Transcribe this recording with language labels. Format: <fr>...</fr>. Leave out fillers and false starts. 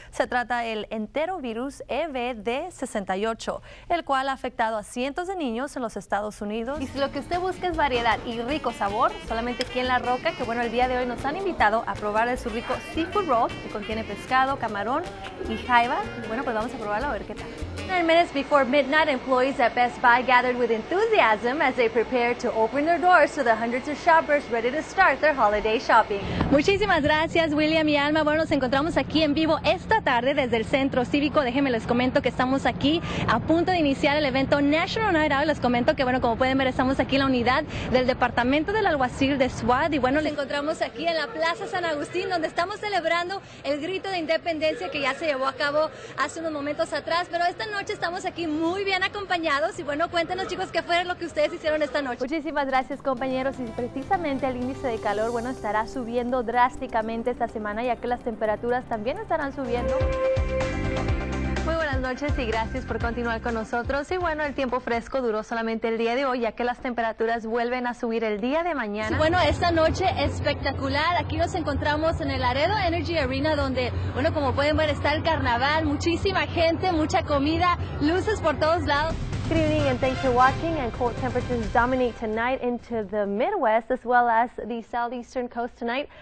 <es>Se trata del enterovirus EBD68, el cual ha afectado a cientos de niños en los Estados Unidos. Y si lo que usted busca es variedad y rico sabor, solamente aquí en La Roca, que bueno, el día de hoy nos han invitado a probar de su rico seafood roll, que contiene pescado, camarón y jaiba. Y bueno, pues vamos a probarlo a ver qué tal.</es> <en>9 minutes before midnight, employees at Best Buy gathered with enthusiasm as they prepared to open their doors to the hundreds of shoppers ready to start their holiday shopping.</en> <es>Muchísimas gracias, William y Alma. Bueno, nos encontramos aquí en vivo esta tarde desde el Centro Cívico. Déjenme les comento que estamos aquí a punto de iniciar el evento National Night Out. Les comento que, bueno, como pueden ver, estamos aquí en la unidad del Departamento del Alguacil de SWAT. Y bueno, nos encontramos aquí en la Plaza San Agustín, donde estamos celebrando el grito de independencia que ya se llevó a cabo hace unos momentos atrás. Pero esta noche estamos aquí muy bien acompañados. Y bueno, cuéntenos, chicos, qué fue lo que ustedes hicieron esta noche. Muchísimas gracias, compañeros. Y precisamente el índice de calor, bueno, estará subiendo drásticamente esta semana, ya que las temperaturas también estarán subiendo. Muy buenas noches y gracias por continuar con nosotros. Y bueno, el tiempo fresco duró solamente el día de hoy, ya que las temperaturas vuelven a subir el día de mañana. Sí, bueno, esta noche espectacular. Aquí nos encontramos en el Laredo Energy Arena, donde, bueno, como pueden ver, está el carnaval, muchísima gente, mucha comida, luces por todos lados.</es> <en>Good evening and thanks for watching, and cold temperatures dominate tonight into the Midwest as well as the southeastern coast tonight.</en>